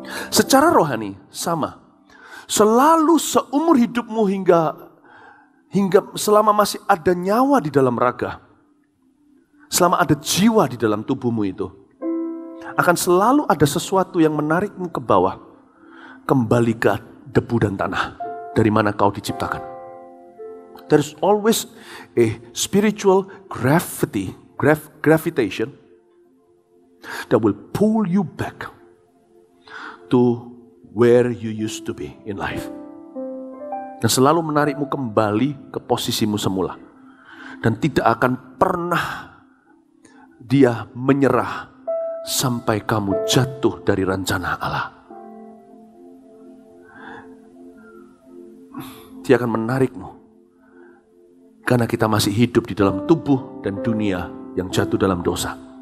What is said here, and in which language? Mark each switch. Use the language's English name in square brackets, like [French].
[Indonesian] Secara rohani sama. Selalu seumur hidupmu hingga selama masih ada nyawa di dalam raga, selama ada jiwa di dalam tubuhmu itu, akan selalu ada sesuatu yang menarikmu ke bawah, kembali ke debu dan tanah dari mana kau diciptakan. [English] There is always a spiritual gravity, gravitation that will pull you back to where you used to be in life. [Indonesian] Dan selalu menarikmu kembali ke posisimu semula. Dan tidak akan pernah dia menyerah sampai kamu jatuh dari rencana Allah. Dia akan menarikmu. Karena kita masih hidup di dalam tubuh dan dunia yang jatuh dalam dosa.